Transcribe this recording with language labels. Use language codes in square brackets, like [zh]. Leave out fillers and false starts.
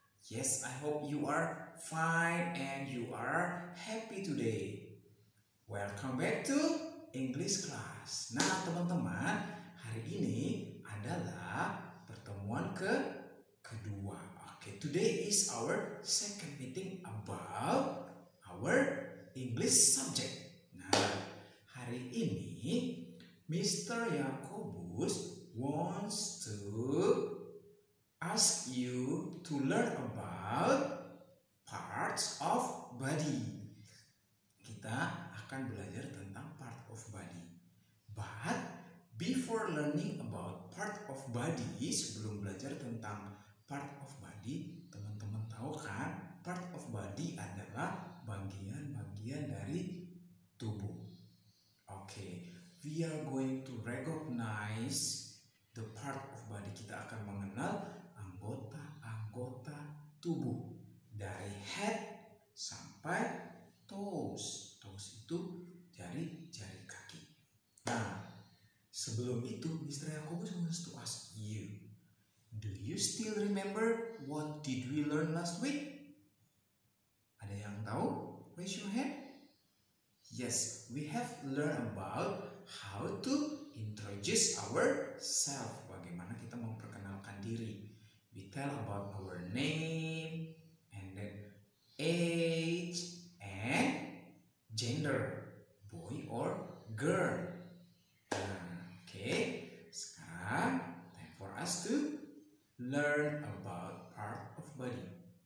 [en] Yes, I hope you are fine and you are happy today. Welcome back to English class. [id] Nah, teman-teman, hari ini adalah pertemuan kedua. [en] Okay, today is our second meeting about our English subject. [id] Hari ini, [en] Mr. Jacobus wants to ask you to learn about parts of body. [id] Kita akan belajar tentang [en] part of body. But before learning about part of body, [id] sebelum belajar tentang [en] part of body, [id] teman-teman tahu kan, [en] part of body [id] adalah bagian-bagian dari tubuh. [en] Okay, we are going to recognize the part of body. [id] Kita akan mengenal anggota-anggota tubuh dari head sampai toes. Toes itu jari-jari kaki. Nah, sebelum itu, Mr. [en] Jacobus wants to ask you, do you still remember what did we learn last week? [id] Ada yang tahu? [en] Raise your hand. Yes, we have learned about how to introduce ourselves. [id] Bagaimana kita memperkenalkan diri. [en] We tell about our name, and then age, and gender, boy or girl. Okay, [id] sekarang [en] time for us to learn about part of body.